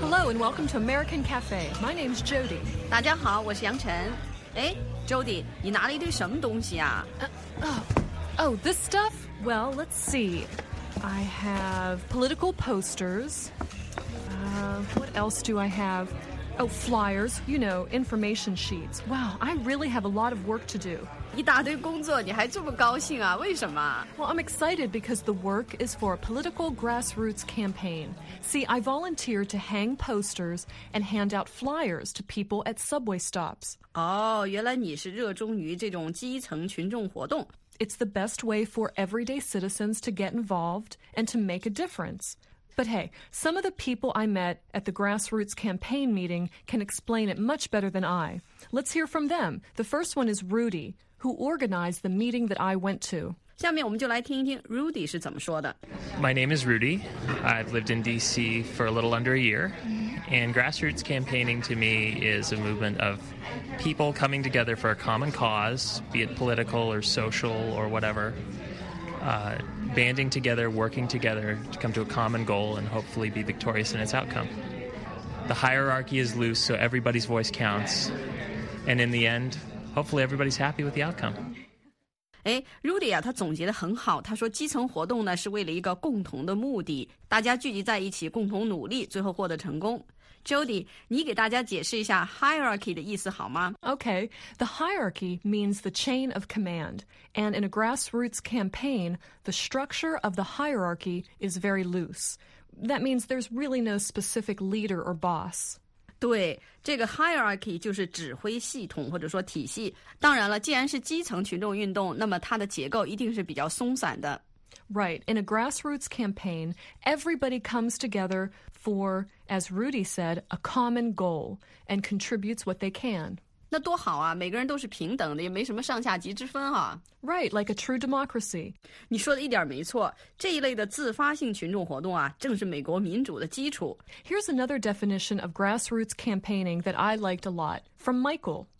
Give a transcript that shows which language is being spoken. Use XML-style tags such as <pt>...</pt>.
<en>Welcome to American Cafe. My name's Jody.</en> <zh>大家好，我是杨晨。哎 ，Jody， 你拿了一堆什么东西啊</zh> <en>？Oh, this stuff. Well, let's see. I have political posters. What else do I have? Oh, flyers. You know, information sheets. Wow, I really have a lot of work to do.</en> <zh>一大堆工作你还这么高兴啊为什么</zh> <en>Well, I'm excited because the work is for a political grassroots campaign. See, I volunteered to hang posters and hand out flyers to people at subway stops.</en> <zh>哦、oh, 原来你是热衷于这种基层群众活动。</zh> <en>It's the best way for everyday citizens to get involved and to make a difference. But hey, some of the people I met at the grassroots campaign meeting can explain it much better than I. Let's hear from them. The first one is Rudy. Who organized the meeting that I went to?</en> <zh>下面我们就来听一听 Rudy 是怎么说的。</zh> <en>My name is Rudy. I've lived in D.C. for a little under a year, and grassroots campaigning to me is a movement of people coming together for a common cause, be it political or social or whatever, banding together, working together to come to a common goal and hopefully be victorious in its outcome. The hierarchy is loose, so everybody's voice counts, and in the end. Hopefully everybody's happy with the outcome.</en> <zh>哎 ，Rudy 啊，他总结的很好。他说，基层活动呢是为了一个共同的目的，大家聚集在一起，共同努力，最后获得成功。 Jody， 你给大家解释一下 hierarchy 的意思好吗</zh> <en>？Okay, the hierarchy means the chain of command, and in a grassroots campaign, the structure of the hierarchy is very loose. That means there's really no specific leader or boss.</en> <zh>对，这个 hierarchy 就是指挥系统或者说体系。当然了，既然是基层群众运动，那么它的结构一定是比较松散的。</zh> <en>Right, in a grassroots campaign, everybody comes together for, as Rudy said, a common goal and contributes what they can.</en> <zh>那多好啊，每个人都是平等的，也没什么上下级之分啊。</zh> <en>Right, like a true democracy.</en> <zh>你说的一点没错，这一类的自发性群众活动啊，正是美国民主的基础。</zh> <en>Here's another definition of grassroots campaigning that I liked a lot from Michael.</en>